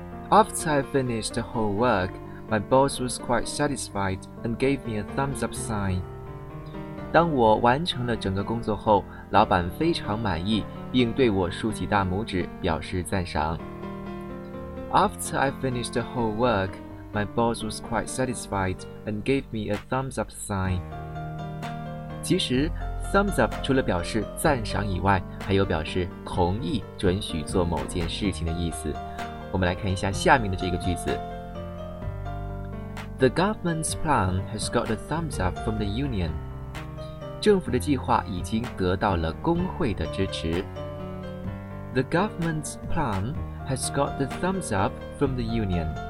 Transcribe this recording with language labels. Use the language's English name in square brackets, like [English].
[English] After I finished the whole work, my boss was quite satisfied and gave me a thumbs up sign. [Chinese] 当我完成了整个工作后，老板非常满意，并对我竖起大拇指表示赞赏。 [English] After I finished the whole work,My boss was quite satisfied and gave me a thumbs up sign. [Chinese] 其实 thumbs up 除了表示赞赏以外，还有表示同意、准许做某件事情的意思。我们来看一下下面的这个句子。 [English] The government's plan has got a thumbs up from the union. [Chinese] 政府的计划已经得到了工会的支持。 [English] The government's plan has got a thumbs up from the union.